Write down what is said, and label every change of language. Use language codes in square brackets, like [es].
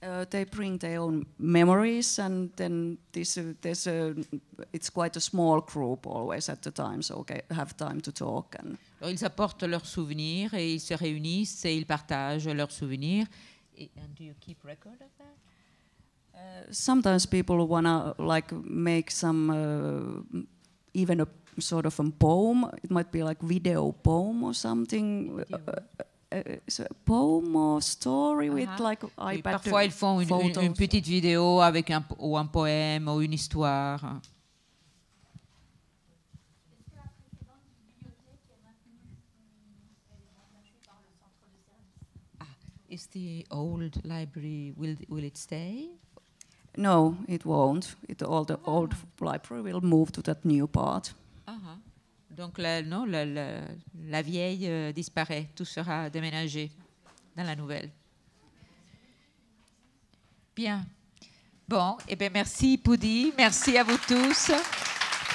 [en] They bring their own memories, and then it's quite a small group always at the time, so they have time to talk. And [fr] ils apportent leurs souvenirs et ils se réunissent et ils partagent leurs souvenirs. [en] And do you keep record of that? Sometimes people wanna like make some even a sort of a poem. It might be like video poem or something. Poem or story with like iPad. [fr] Et parfois, ils font une petite vidéo avec un poème ou une histoire. [en] Is the old library will it stay? No, it won't. Old library will move to that new part. [fr] Donc la vieille disparaît, tout sera déménagé dans la nouvelle. Bien. Bon, et bien merci Poudy, merci à vous tous.